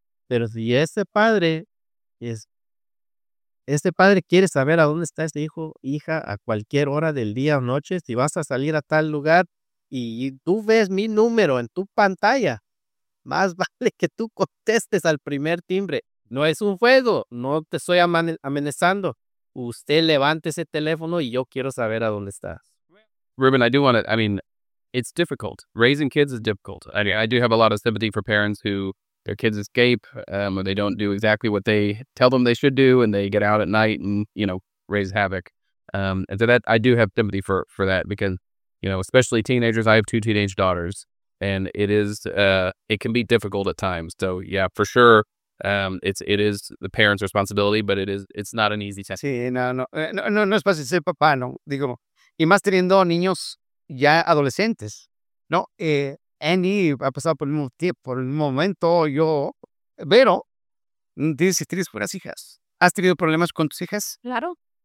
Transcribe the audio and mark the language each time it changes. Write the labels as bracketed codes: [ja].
[es] Pero si ese padre quiere saber a dónde está ese hijo, hija, a cualquier hora del día o noche, si vas a salir a tal lugar y tú ves mi número en tu pantalla, más vale que tú contestes al primer timbre. No es un juego, no te estoy amenazando. Usted levante ese teléfono y yo quiero saber a dónde estás. [en] Ruben, it's difficult. Raising kids is difficult. I do have a lot of sympathy for parents who their kids escape, or they don't do exactly what they tell them they should do, and they get out at night and, you know, raise havoc. And so that, I do have sympathy for that, because, you know, especially teenagers, I have two teenage daughters, and it can be difficult at times. So yeah, for sure. It is the parents' responsibility, but it's not an easy task. [es] Sí, no es fácil ser papá, no. Digo, y más teniendo niños ya adolescentes, ¿no? Annie ha pasado por el mismo tiempo, por el mismo momento, yo. Pero, dices que tienes buenas hijas. ¿Has tenido problemas con tus hijas? Claro.